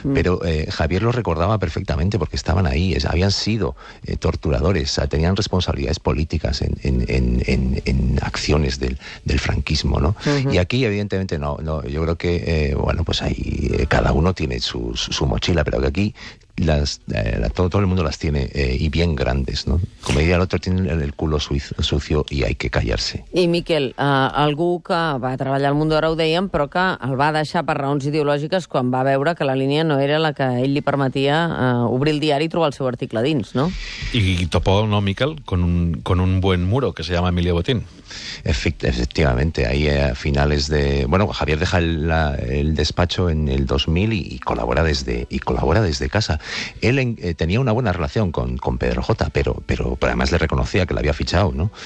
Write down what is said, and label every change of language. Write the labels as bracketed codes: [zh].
[es] Pero Javier lo recordaba perfectamente, porque estaban ahí, habían sido torturadores, tenían responsabilidades políticas en acciones del franquismo, ¿no? Y aquí, evidentemente, no, yo creo que cada uno tiene su mochila, pero que aquí todo el mundo las tiene, y bien grandes, ¿no? Como diría el otro, tiene el culo sucio y hay que callarse. [ca] I, Miquel, algú que va treballar al Mundo Ara, ho dèiem, però que el va deixar per raons ideològiques quan va veure que la línia no era la que ell li permetia obrir el diari i trobar el seu article dins, no? [es] I topó, no, Miquel, con un buen muro que se llama Emilio Botín. Efectivamente, ahí a finales de... Bueno, Javier deja el despacho en el 2000 y colabora desde casa. Él tenía una buena relación con Pedro J, pero además le reconocía que la había fichado, ¿no?